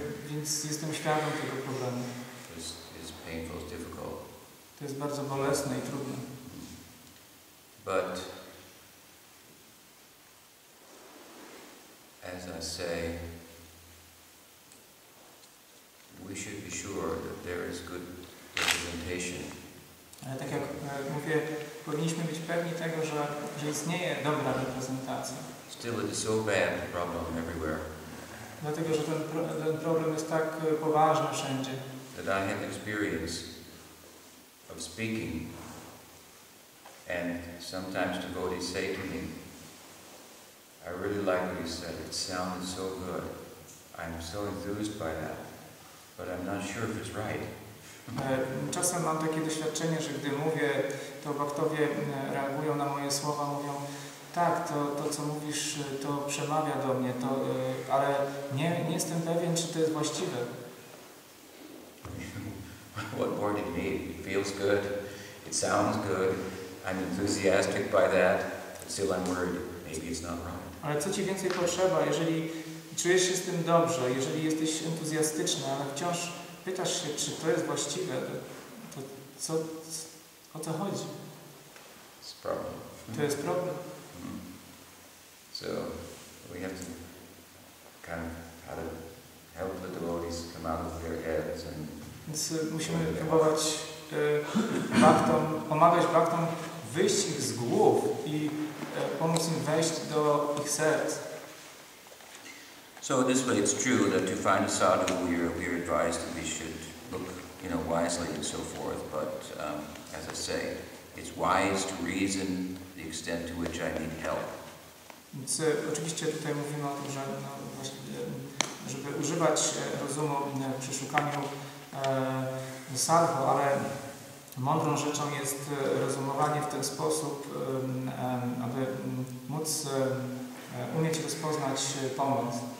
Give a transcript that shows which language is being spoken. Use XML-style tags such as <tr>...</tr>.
<pl>Więc jestem świadom tego problemu.</pl> <en>It's painful, it's difficult.</en> <pl>To jest bardzo bolesne i trudne.</pl> <en>But as I say, we should be sure that there is good representation.</en> <pl>Ale tak jak mówię, powinniśmy być pewni tego, że istnieje dobra reprezentacja.</pl> <en>Still, it is so bad the problem everywhere.</en> <pl>Dlatego, że ten problem jest tak poważny wszędzie.</pl> <en>That I have experience of speaking, and sometimes devotees say to me, I really like what you said, it sounded so good, I'm so enthused by that, but I'm not sure if it's right.</en> <pl>Czasem mam takie doświadczenie, że gdy mówię, to bhaktowie reagują na moje słowa, mówią, tak, to co mówisz, to przemawia do mnie, to, ale nie jestem pewien, czy to jest właściwe.</pl> <en>What more do you need? It feels good. It sounds good. I'm enthusiastic by that. But still, I'm worried. Maybe it's not right.</en> <pl>Ale co ci więcej potrzeba, jeżeli czujesz się z tym dobrze, jeżeli jesteś entuzjastyczny, ale wciąż pytasz się, czy to jest właściwe, to co, o co chodzi?</pl> <en>It's a problem.</en> <pl>To jest problem. Mm-hmm.</pl> <en>So we have to kind of how to help the devotees come out of their heads and.</en> <pl>Więc musimy próbować bhaktom, pomagać bhaktom wyjść ich z głów i pomóc im wejść do ich serc.</pl> <en>So this way it's true that to find a sadhu we're advised that we should look, you know, wisely and so forth, but as I say, it's wise to reason the extent to which I need help.</en> <pl>Więc oczywiście tutaj mówimy o tym, że no, właśnie, żeby używać rozumu przy szukaniu sadhu, ale mądrą rzeczą jest rozumowanie w ten sposób, aby móc umieć rozpoznać pomoc.</pl>